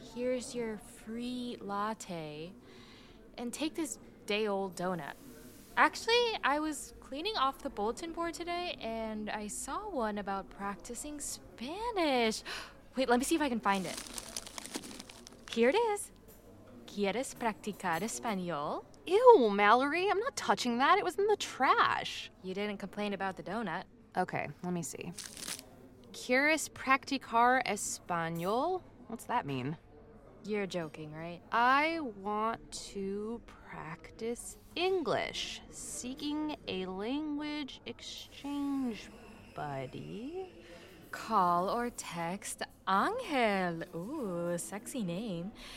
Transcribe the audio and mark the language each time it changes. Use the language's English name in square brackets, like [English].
[English] Here's your free latte. And take this day-old donut. Actually, I was cleaning off the bulletin board today, and I saw one about practicing Spanish. Wait, let me see if I can find it. Here it is. [Spanish] ¿Quieres practicar español? [English] Ew, Mallory, I'm not touching that. It was in the trash. You didn't complain about the donut. Okay, let me see. [Spanish] ¿Quieres practicar español? [English] What's that mean? You're joking, right? I want to practice English. Seeking a language exchange buddy. Call or text Angel. Ooh, sexy name.